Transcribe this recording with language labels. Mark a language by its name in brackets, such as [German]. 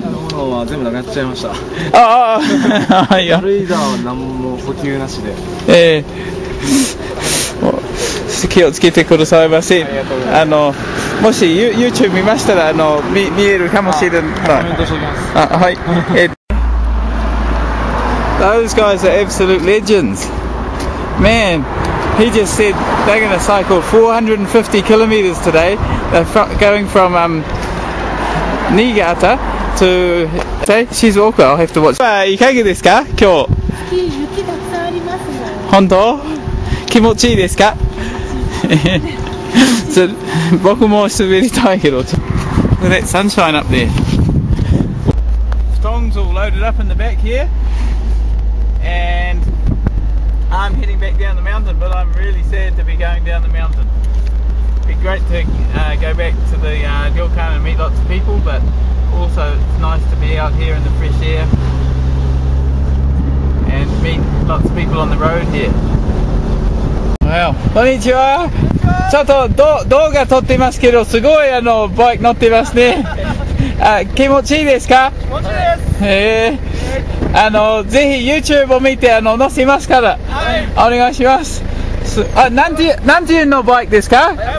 [Japanese] 食べ物は全部なくなっちゃいました。ああいいよ。軽井沢は何も補給なしで、気をつけてくださいませ。あのもし YouTube 見ましたらあの 見えるかもしれない。コメントしておきます。はい。 [English] Those guys are absolute legends. Man, he just said they're going to cycle 450 kilometers today. They're going from Niigata to... She's awkward, I'll have to watch. [Japanese] いかがですか今日。雪たくさんありますね。本当？気持ちいいですか。 So, 僕も滑りたいけど。 [English] Look at that sunshine up there. Tongs all loaded up in the back here. And I'm heading back down the mountain, but I'm really sad to be going down the mountain. It'd be great to go back to the Gilkan and meet lots of people, but also it's nice to be out here in the fresh air and meet lots of people on the road here. [Japanese] こんにちは。ちょっと動画撮ってますけど、すごいあのバイク乗ってますね。あ、気持ちいいですか。気持ちいいです。あのぜひ YouTube を見てあの載せますから、はい、お願いします。あ、何時のバイクですか。